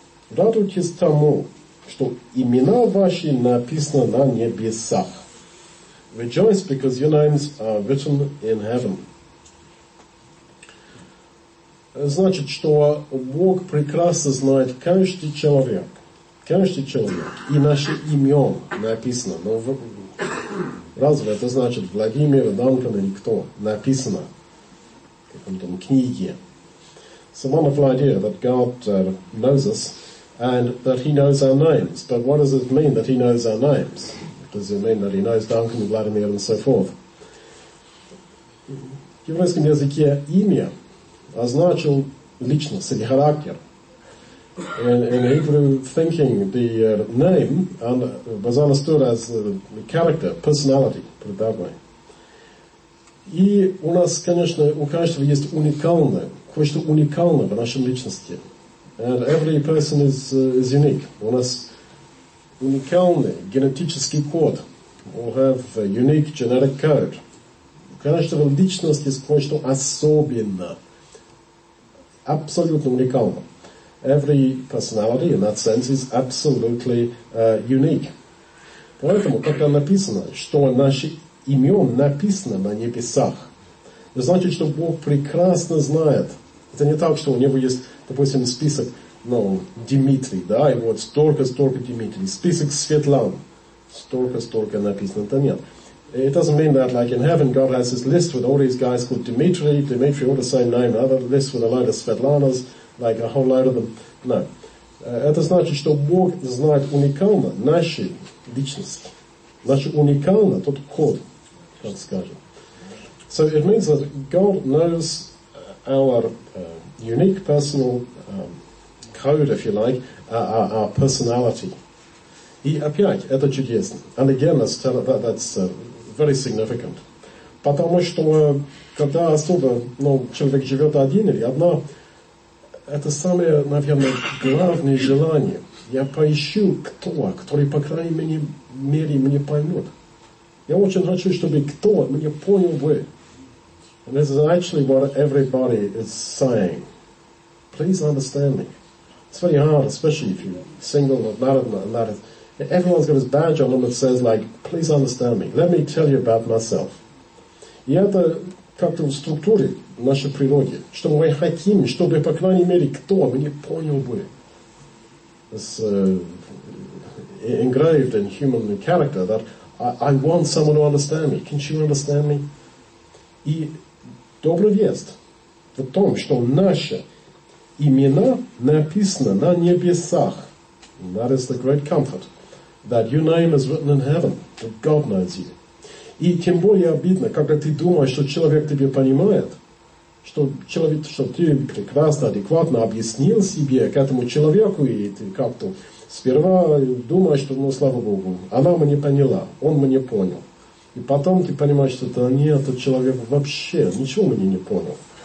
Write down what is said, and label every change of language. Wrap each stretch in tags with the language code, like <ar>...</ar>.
<ru>Радуйтесь тому, что имена ваши написаны на небесах.</ru> <en>Rejoice because your names are written in heaven.</en> <ru>Значит, что Бог прекрасно знает каждый человек. Каждый человек. И наше имя написано. Но разве это значит Владимир, Данкан или кто? Написано в каком-то книге.</ru> <en>It's a wonderful idea that God knows us and that he knows our names. But what does it mean that he knows our names? Does it mean that he knows Данкан, Владимир and so forth?</en> <ru>В еврейском языке имя означал личность или характер.</ru> <en>In Hebrew thinking, the name was understood as the character, personality, put it that way.</en> <ru>И у нас, конечно, у каждого есть уникальное, кое-что уникальное в нашей личности.</ru> <en>And every person is unique.</en> <ru>У нас уникальный генетический код.</ru> <en>We have a unique genetic code.</en> <ru>У каждого личность есть кое-что особенное. Абсолютно уникальное.</ru> <en>Every personality, in that sense, is absolutely unique.</en> <ru>Поэтому, как там написано, что наши имена написаны на небесах, это значит, что Бог прекрасно знает. Это не так, что у него есть, допустим, список, ну, Дмитрий, да, и вот столько-столько Дмитрий, список Светлан, столько-столько написано, это нет.</ru> <en>It doesn't mean that, like in heaven, God has this list with all these guys called Dmitri, Dmitri, all the same name, another list with a lot of Svetlanas, like a whole lot of them. No.</en> <ru>Это значит, что Бог знает уникально наши личности. Значит, уникально тот код, как скажем.</ru> <en>So it means that God knows our unique personal code, if you like, our personality.</en> <ru>И опять, это чудесно.</ru> <en>And again, that's very significant.</en> <ru>Потому что, когда особо, ну, человек живет один или одна, это самое, наверное, главное желание. Я поищу кто, который, по крайней мере, меня поймет. Я очень хочу, чтобы кто меня понял бы.</ru> <en>And this is actually what everybody is saying. Please understand me. It's very hard, especially if you're single or married and that is. Everyone's got his badge on them that says, like, please understand me. Let me tell you about myself.</en> <ru>И это как-то в структуре нашей природы. Что мы хотим, чтобы, по крайней мере, кто меня понял бы.</ru> <en>It's engraved in human character that I want someone to understand me. Can you understand me?</en> <ru>И добрая весть в том, что наши имена написаны на небесах.</ru> <en>And that is the great comfort. That your name is written in heaven, that God knows you.</en> <ru>И тем более обидно, когда ты думаешь, что человек тебя понимает, что человек, что ты прекрасно, адекватно объяснил себе к этому человеку, и ты как-то сперва думаешь, что, ну, слава Богу, она меня поняла, он меня понял. И потом ты понимаешь, что да нет, этот человек вообще ничего меня не понял.</ru>